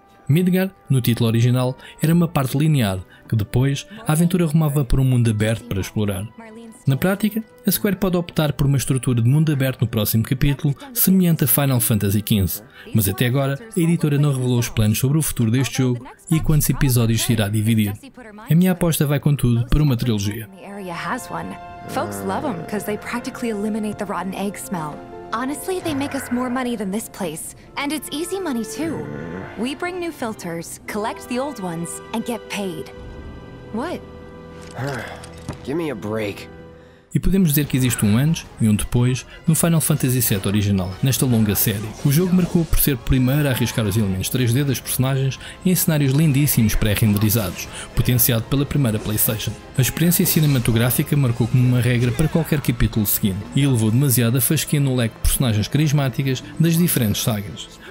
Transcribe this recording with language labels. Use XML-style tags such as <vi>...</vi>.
<pt>Midgard, no título original, era uma parte linear, que depois a aventura rumava por um mundo aberto para explorar. Na prática, a Square pode optar por uma estrutura de mundo aberto no próximo capítulo, semelhante a Final Fantasy XV, mas até agora a editora não revelou os planos sobre o futuro deste jogo e quantos episódios se irá dividir. A minha aposta vai, contudo, para uma trilogia.</pt> <en>Folks love them because they practically eliminate the rotten egg smell. Honestly, they make us more money than this place, and it's easy money too. We bring new filters, collect the old ones, and get paid. What? Give me a break.</en> <pt>E podemos dizer que existe um antes e um depois no Final Fantasy VII original, nesta longa série. O jogo marcou por ser o primeiro a arriscar os elementos 3D das personagens em cenários lindíssimos pré-renderizados, potenciado pela primeira PlayStation. A experiência cinematográfica marcou como uma regra para qualquer capítulo seguinte e elevou demasiado a fasquia no leque de personagens carismáticas das diferentes sagas.</pt>